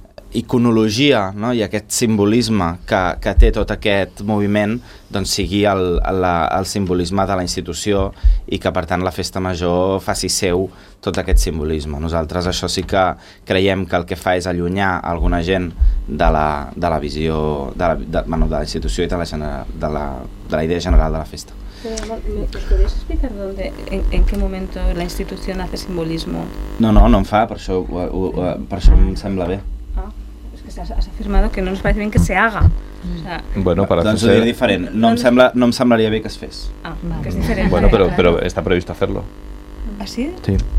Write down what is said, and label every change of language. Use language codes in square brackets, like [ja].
[ca] iconologia, no, i aquest simbolisme que té tot aquest moviment, doncs sigui el simbolisme de la institució, i que per tant la Festa Major faci seu tot aquest simbolisme. Nosaltres això sí que creiem que el que fa és allunyar alguna gent de la visió de la institució i de la idea general de la festa. [es] Però, ¿me podrías explicar en qué momento la institución hace simbolismo? [ca] No en fa, per això em sembla bé. Has afirmat que no ens pareix bé que [es] se haga. [ca] Bueno, para doncs ser... ho diré diferent. No em semblaria bé que es fes. Ah, que és diferent. Bueno, però està previst fer-lo. Ah, sí? Sí.